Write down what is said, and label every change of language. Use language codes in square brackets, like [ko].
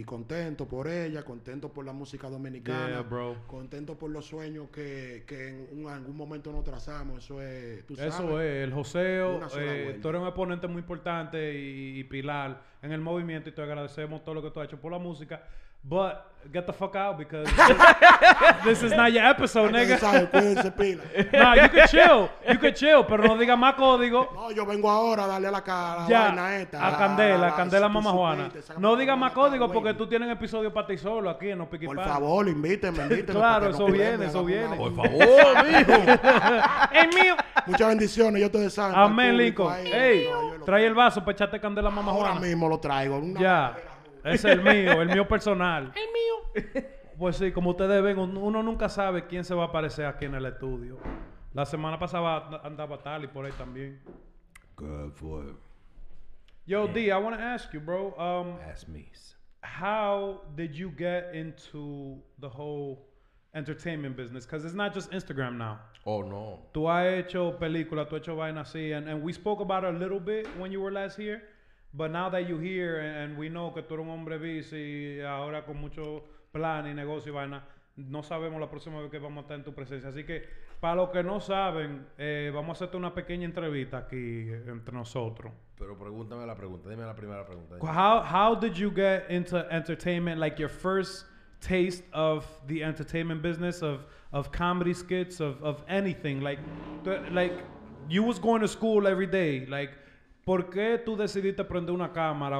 [es] Y contento por ella, contento por la música dominicana. [en] Yeah, bro. [es] Contento por los sueños que en algún momento nos trazamos, eso es, ¿tú sabes? Eso es, el joseo, tú eres un exponente muy importante y pilar en el movimiento y te agradecemos todo lo que tú has hecho por la música. [en] But get the fuck out because this is not your episode, nigga. [es] No, [en] you can chill, [es] pero no diga más código. No, yo vengo ahora a darle a la cara a la vaina esta. A Candela Mama Juana. No diga más código porque tú tienes episodio para ti solo aquí en los Piqui Pan. Por favor, invíteme. Claro, eso viene. Por favor, mijo. Es mío. Muchas bendiciones, yo te saben. Amén, Lincoln. Ey, trae el vaso para echarte Candela Mama Juana. Ahora mismo lo traigo. Ya. Es el mío personal. El mío. Pues sí, como ustedes ven, uno nunca sabe quién se va a aparecer aquí en el estudio. La semana pasada andaba tal y por ahí también. ¿Qué fue? [en] Yo, yeah. D, I want to ask you, bro. Ask me. How did you get into the whole entertainment business? Because it's not just Instagram now. Oh, no. [es] Tú has hecho película, tú has hecho vaina así. [en] And we spoke about it a little bit when you were last here. But now that you're here and we know [es] que tú eres un hombre busy, ahora con mucho plan y negocio y vaina, no sabemos la próxima vez que vamos a estar en tu presencia. Así que, para los que no saben, vamos a hacerte una pequeña entrevista aquí entre nosotros. Pero pregúntame la pregunta. Dime la primera pregunta. [en] How did you get into entertainment? Like your first taste of the entertainment business, of comedy skits, of anything? Like you was going to school every day. [es] Like, ¿por qué tú decidiste prender una cámara?